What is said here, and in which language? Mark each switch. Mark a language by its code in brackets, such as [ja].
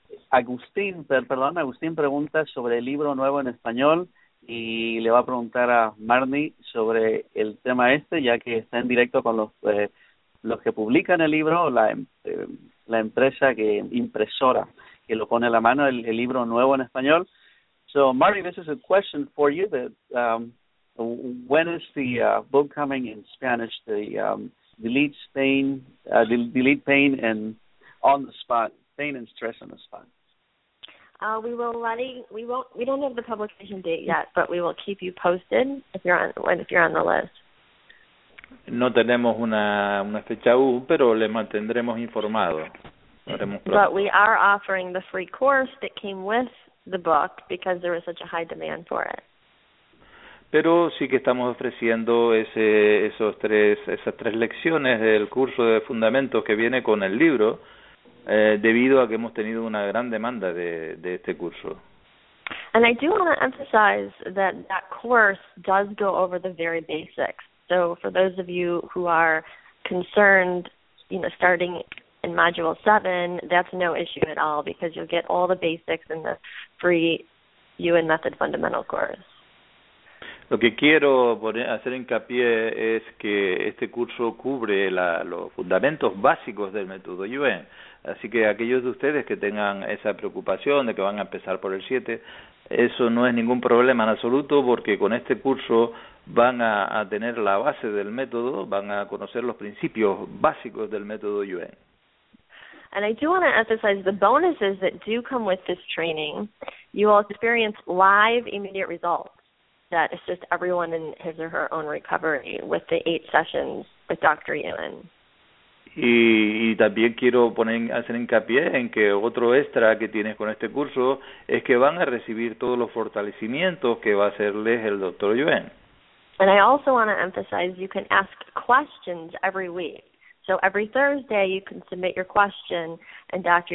[es] Agustín pregunta sobre el libro nuevo en español y le va a preguntar a Marnie sobre el tema este, ya que está en directo con los que publican el libro, la empresa que impresora que lo pone a la mano, el libro nuevo en español. [en] So, Marnie, this is a question for you when is the book coming in Spanish, delete pain and on the spot, pain and stress on the spot? We don't have the publication date yet, but we will keep you posted if you're on the list. [es] No tenemos una fecha aún, pero le mantendremos informado. [en] But we are offering the free course that came with the book because there was such a high demand for it. [es] Pero sí que estamos ofreciendo esas tres lecciones del curso de fundamentos que viene con el libro, debido a que hemos tenido una gran demanda de este curso. [en] And I do want to emphasize that course does go over the very basics. So for those of you who are concerned, starting in module 7, that's no issue at all because you'll get all the basics in the free UN Method Fundamental course. [es] Lo que quiero hacer hincapié es que este curso cubre los fundamentos básicos del método UN. Así que aquellos de ustedes que tengan esa preocupación de que van a empezar por el 7, eso no es ningún problema en absoluto, porque con este curso van a tener la base del método, van a conocer los principios básicos del método UN. [en] And I do want to emphasize the bonuses that do come with this training. You will experience live immediate results that assist everyone in his or her own recovery with the 8 sessions with Dr. Yuen. [es] Y también quiero hacer hincapié en que otro extra que tienes con este curso es que van a recibir todos los fortalecimientos que va a hacerles el Dr. Yuen. [en] And I also want to emphasize you can ask questions every week. So every Thursday you can submit your question and Dr.